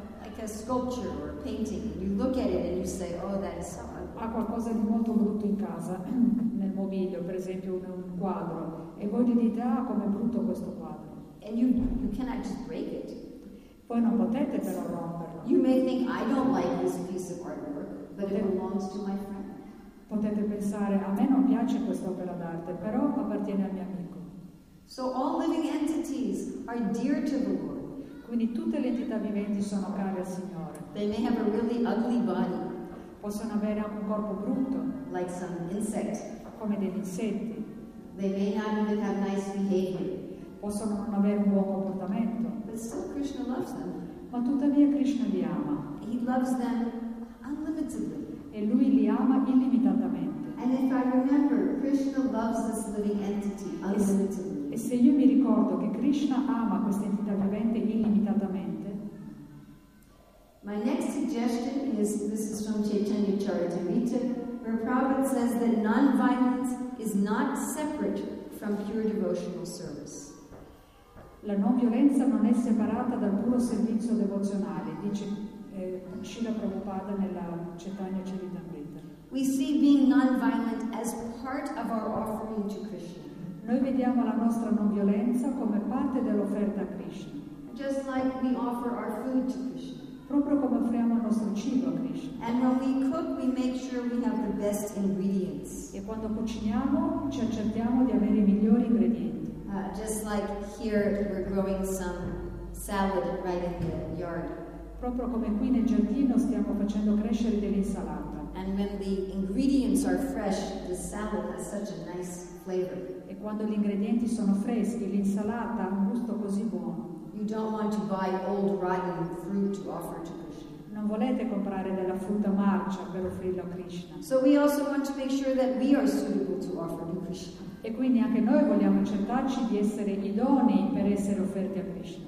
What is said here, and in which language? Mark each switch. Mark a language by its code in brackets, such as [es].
[en] like a sculpture or a painting, you look at it and you say, oh, that is so ugly. [it] Ha qualcosa di molto brutto in casa. Mobilio, per esempio un quadro, e voi gli dite, ah, com'è brutto questo quadro. [en] And you cannot just break it. [it] Voi non potete però romperlo. [en] You may think, I don't like this piece of artwork, but it belongs to my friend. [it] Potete pensare, a me non piace questa opera d'arte, però appartiene al mio amico. [en] So all living entities are dear to the Lord. [it] Quindi tutte le entità viventi sono care al Signore. [en] They may have a really ugly body. [it] Possono avere anche un corpo brutto. [en] Like some insect. [it] Come degli insetti. [en] They may not even have nice behavior. [it] Possono non avere un buon comportamento. [en] But still Krishna loves them. [it] Ma tuttavia Krishna li ama. [en] He loves them unlimitedly. [it] E lui li ama illimitatamente. [en] And if I remember, Krishna loves this living entity unlimitedly. [it] E se io mi ricordo che Krishna ama questa entità vivente illimitatamente. [en] My next suggestion is, this is from Chaitanya Charitamrita. Where Prabhupada says that non-violence is not separate from pure devotional service. [it] La non violenza non è separata dal puro servizio devozionale, dice Srila Prabhupada nella Chaitanya Charitamrita. [en] We see being non-violent as part of our offering to Krishna. [it] Noi vediamo la nostra non violenza come parte dell'offerta a Krishna. [en] Just like we offer our food to Krishna. [it] Proprio come offriamo il nostro cibo a Krishna. [en] And when we cook, we make sure we have the best ingredients. [it] E quando cuciniamo, ci accertiamo di avere i migliori ingredienti. [en] Just like here, we're growing some salad right in the yard. [it] Proprio come qui nel giardino stiamo facendo crescere dell'insalata. [en] And when the ingredients are fresh, the salad has such a nice flavor. [it] E quando gli ingredienti sono freschi, l'insalata ha un gusto così buono. [en] You don't want to buy old rotten fruit to offer to Krishna. [it] Non volete comprare della frutta marcia per offrirlo a Krishna. [en] So we also want to make sure that we are suitable to offer to Krishna. [it] E quindi anche noi vogliamo accertarci di essere idonei per essere offerti a Krishna.